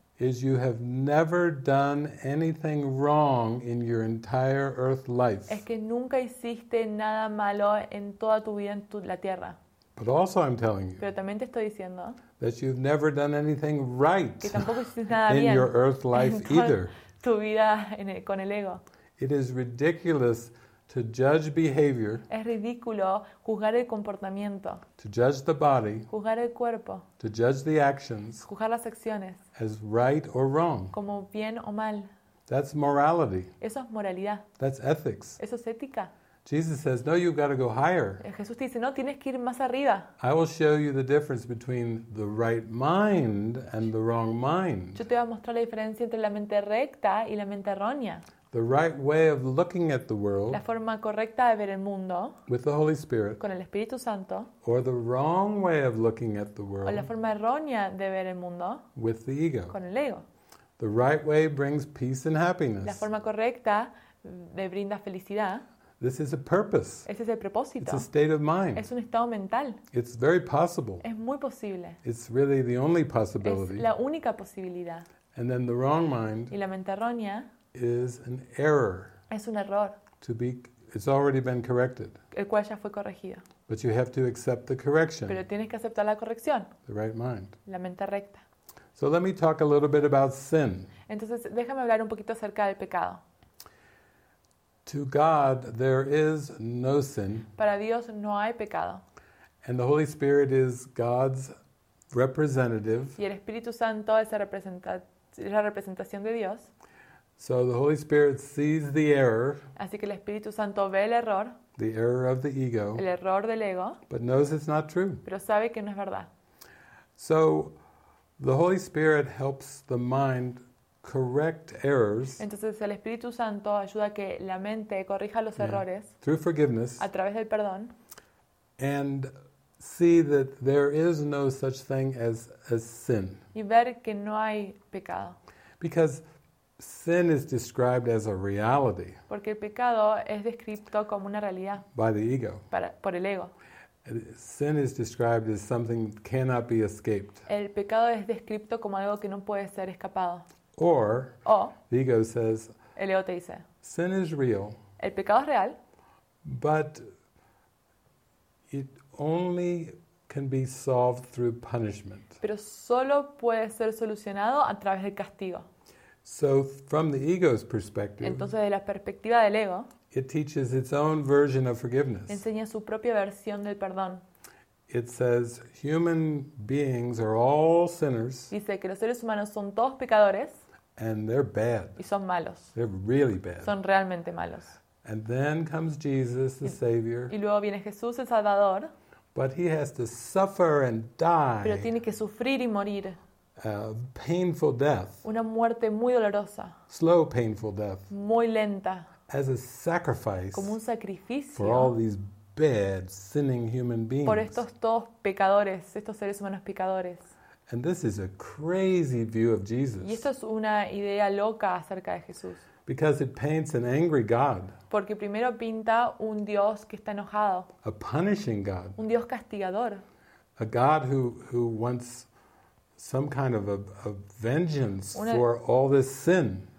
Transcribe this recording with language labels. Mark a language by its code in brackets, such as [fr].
[en] Is you have never done anything wrong in your entire earth life. [es] Es que nunca hiciste nada malo en toda tu vida en la tierra. [en] But also I'm telling you [es] pero también te estoy diciendo [en] that you've never done anything right [es] que tampoco hiciste nada [en] in [es] bien [en] your earth life either. [es] Tu vida con el ego. [en] It is ridiculous to judge behavior. [es] Es ridículo juzgar el comportamiento. [en] To judge the body. [es] Juzgar el cuerpo. [en] To judge the actions. [es] Juzgar las acciones. [en] As right or wrong. [es] Como bien o mal. [en] That's morality. [es] Eso es moralidad. [en] That's ethics. [es] Eso es ética. [en] Jesus says, no, you've got to go higher. [es] Jesús te dice, no, tienes que ir más arriba. [en] I will show you the difference between the right mind and the wrong mind. [es] Yo te voy a mostrar la diferencia entre la mente recta y la mente errónea. [en] The right way of looking at the world. [es] La forma correcta de ver el mundo. [en] With the Holy Spirit. [es] Con el Espíritu Santo. [en] Or the wrong way of looking at the world. [es] O la forma errónea de ver el mundo. [en] With the ego. [es] Con el ego. [en] The right way brings peace and happiness. [es] La forma correcta le brinda felicidad. [en] This is a purpose. [es] Ese es el propósito. [en] It's a state of mind. [es] Es un estado mental. [en] It's very possible. [es] Es muy posible. [en] It's really the only possibility. [es] Es la única posibilidad. [en] And then the wrong mind. [es] Y la mente errónea. [en] Is an error. [es] Es un error. [en] It's already been corrected. [es] El cual ya fue corregido. [en] But you have to accept the correction. [es] Pero tienes que aceptar la corrección. [en] The right mind. [es] La mente recta. [en] So let me talk a little bit about sin. [es] Entonces, déjame hablar un poquito acerca del pecado. [en] To God, there is no sin. [es] Para Dios no hay pecado. [en] And the Holy Spirit is God's representative. [es] Y el Espíritu Santo es la representación de Dios. [en] So the Holy Spirit sees the error. [es] Así que el Espíritu Santo ve el error. [en] The error of the ego. [es] El error del ego. [en] But knows it's not true. [es] Pero sabe que no es verdad. [en] So the Holy Spirit helps the mind correct errors. [es] Entonces el Espíritu Santo ayuda a que la mente corrija los errores. [en] Through forgiveness. [es] A través del perdón. [en] And see that there is no such thing as sin. [es] Y ver que no hay pecado. [en] Because sin is described as a reality. [es] Porque el pecado es descrito como una realidad. [en] By the ego. [es] Por el ego. [en] Sin is described as something that cannot be escaped. [es] El pecado es descrito como algo que no puede ser escapado. [en] Or, [es] o, [en] the ego says, [es] el ego te dice, [en] sin is real, [es] el pecado es real, [en] but it only can be solved through punishment. [es] Pero solo puede ser solucionado a través del castigo. [en] So, from the ego's perspective, [es] entonces, de la perspectiva del ego, [en] it teaches its own version of forgiveness. [es] Enseña su propia versión del perdón. [en] It says human beings are all sinners. [es] Dice que los seres humanos son todos pecadores. [en] And they're bad. [es] Y son malos. [en] They're really bad. [es] Son realmente malos. [en] And then comes Jesus, the Savior. [es] Y luego viene Jesús, el Salvador. [en] But he has to suffer and die. [es] Pero tiene que sufrir y morir. [en] A painful death. [es] Una muerte muy dolorosa. [en] Slow, painful death. [es] Muy lenta. [en] As a sacrifice. [es] Como un sacrificio. [en] For all these bad, sinning human beings. [es] Por estos todos pecadores, estos seres humanos pecadores. [en] And this is a crazy view of Jesus. [es] Y esto es una idea loca acerca de Jesús. [en] Because it paints an angry God. [es] Porque primero pinta un Dios que está enojado. [en] A punishing God. [es] Un Dios castigador. [en] A God who wants some kind of a vengeance for all this sin.